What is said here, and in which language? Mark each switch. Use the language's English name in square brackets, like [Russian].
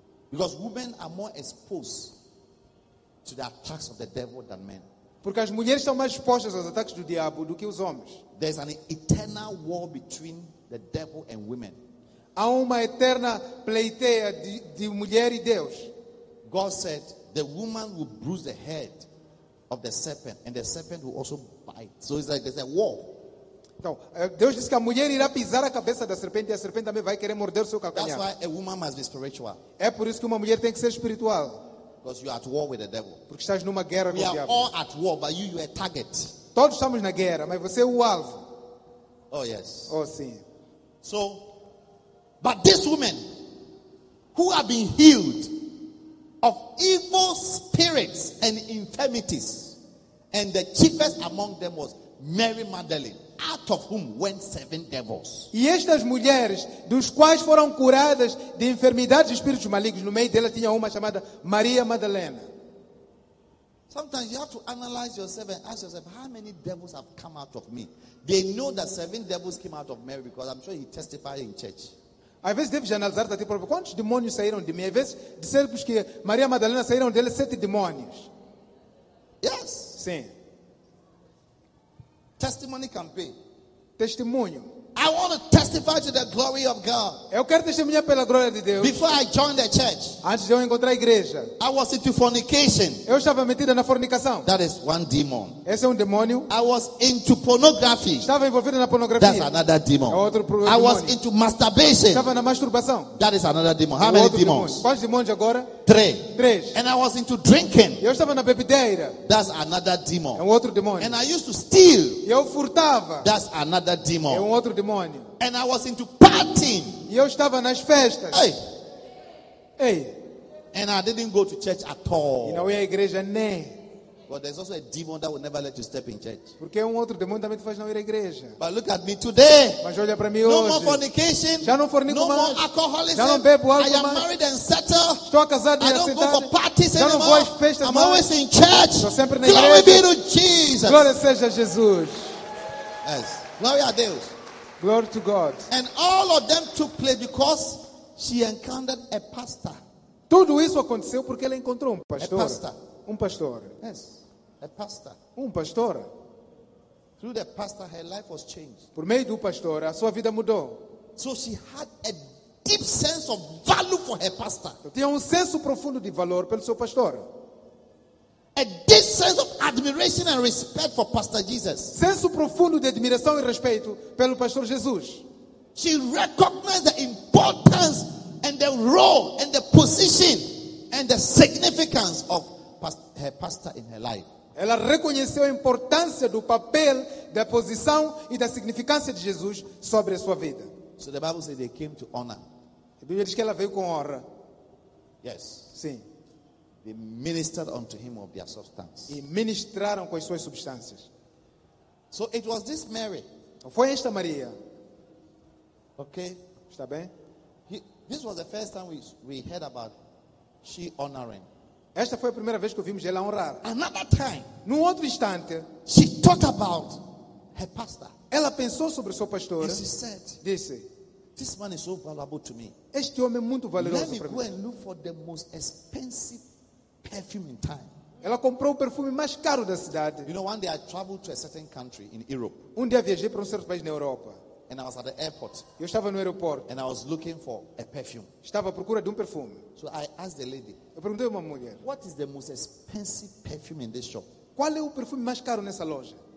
[English] Because women are more exposed to the attacks of the devil than men. [Portuguese] Porque as mulheres estão mais expostas aos ataques do diabo do que os homens. [English] There's an eternal war between the devil and women. [Portuguese] Há uma eterna pleiteia de mulher e Deus. [English] God said the woman will bruise the head of the serpent and the serpent will also bite. So it's like there's a war. [Portuguese] Então, Deus disse que a mulher irá pisar a cabeça da serpente e a serpente também vai querer morder seu calcanhar. [English] That's why a woman must be spiritual. [Portuguese] É por isso que uma mulher tem que ser espiritual. [English] Because you are at war with the devil. [Portuguese] Porque estás numa guerra [English] we [Portuguese] com o diabo. [English] We are all at war, but you are a target. [Portuguese] Todos estamos na guerra, mas você é o alvo. [English] Oh yes. [Portuguese] Oh sim. [English] So, but this woman who have been healed of evil spirits and infirmities, and the chiefest among them was Mary Magdalene, out of whom went 7 devils. [Portuguese] E estas mulheres, dos quais foram curadas de enfermidades e espíritos malignos, no meio dela tinha uma chamada Maria Madalena. [English] Sometimes you have to analyze yourself and ask yourself, how many devils have come out of me? They know that 7 devils came out of Mary because I'm sure he testified in church. [Portuguese] Às vezes deve analisar a ti próprio, quantos demônios saíram de mim? Às vezes disseram que Maria Madalena saíram dele 7 demônios. [English] Yes. [Portuguese] Sim. [English] Testimony campaign. [Portuguese] Testemunho. [English] I want to testify to the glory of God. [Portuguese] Eu quero testemunhar pela glória de Deus. [English] Before I joined the church. [Portuguese] Antes de eu encontrar a igreja. [English] I was into fornication. [Portuguese] Eu estava metido na fornicação. [English] That is one demon. [Portuguese] Esse é demônio. [English] I was into pornography. [Portuguese] Estava envolvido na pornografia. [English] That's another demon. [Portuguese] É outro [English] I [Portuguese] demônio. [English] Was into masturbation. [Portuguese] Estava na masturbação. [English] That is another demon. How many demons? [Portuguese] Quais demônios agora? Três. [English] And I was into drinking. [Portuguese] Eu estava na bebedeira. [English] That's another demon. [Portuguese] É outro demônio. [English] And I used to steal. [Portuguese] Eu furtava. [English] That's another demon. [Portuguese] É outro demônio. [English] And I was into partying. [Portuguese] E eu estava nas festas. Hey. Hey. [English] And I didn't go to church at all. [Portuguese] E não ia à igreja nem. [English] But there's also a demon that will never let you step in church. [Portuguese] Porque outro demônio também te faz não ir à igreja. [English] But look at me today. [Portuguese] Mas olha para mim [English] no [Portuguese] hoje. [English] No more fornication. [Portuguese] Já não fornico [English] no [Portuguese] mais. [English] No more alcoholism. [Portuguese] Já não bebo álcool mais. [English] I am married and settled. [Portuguese] Estou casado e assentado. [English] I don't go for parties anymore. [Portuguese] Já não vou às festas [English] I'm [Portuguese] mais. [English] Always in church. [Portuguese] Estou sempre na [English] Glory [Portuguese] igreja. [English] Be to Jesus. [Portuguese] Glória seja a Jesus. [English] Yes. Glory [Portuguese] a Deus. [English] Glory to God. And all of them took place because she encountered a pastor. [Portuguese] Tudo isso aconteceu porque ela encontrou pastor. [English] A pastor. [Portuguese] Pastor. [English] Yes. A pastor. [Portuguese] Pastor. [English] Through the pastor, her life was changed. [Portuguese] Por meio do pastor, a sua vida mudou. [English] So she had a deep sense of value for her pastor. [Portuguese] Tinha senso profundo de valor pelo seu pastor. [English] A deep sense of admiration and respect for Pastor Jesus. [Portuguese] Senso profundo de admiração e respeito pelo pastor Jesus. [English] She recognized the importance and the role and the position and the significance of her pastor in her life. [Portuguese] Ela reconheceu a importância do papel, da posição e da significância de Jesus sobre a sua vida. [English] So the Bible says they came to honor. [Portuguese] A Bíblia diz que ela veio com honra. [English] Yes. [Portuguese] Sim. [English] They ministered unto him of their substance. [Portuguese] E ministraram com as suas substâncias. [English] So it was this Mary. [Portuguese] Foi esta Maria. [English] Okay. [Portuguese] Está bem? [English] This was the first time we heard about she honoring. [Portuguese] Esta foi a primeira vez que ouvimos ela honrar. [English] Another time. [Portuguese] Num outro instante, [English] she thought about her pastor. [Portuguese] Ela pensou sobre o seu pastor. [English] And she said, [Portuguese] disse, [English] this man is so valuable to me. [Portuguese] Este homem é muito valioso para mim. [English] Let me go and look for the most expensive perfume in town. [Portuguese] Ela comprou o perfume mais caro da cidade. [English] You know, one day I traveled to a certain country in Europe. [Portuguese] Um dia viajei para um certo país na Europa. [English] And I was at the airport. [Portuguese] Eu estava no aeroporto. [English] And I was looking for a perfume. [Portuguese] Estava à procura de um perfume. [English] So I asked the lady. [Portuguese] Eu perguntei a uma mulher. [English] What is the most expensive perfume in this shop? [Portuguese] Qual é o perfume mais caro nessa loja?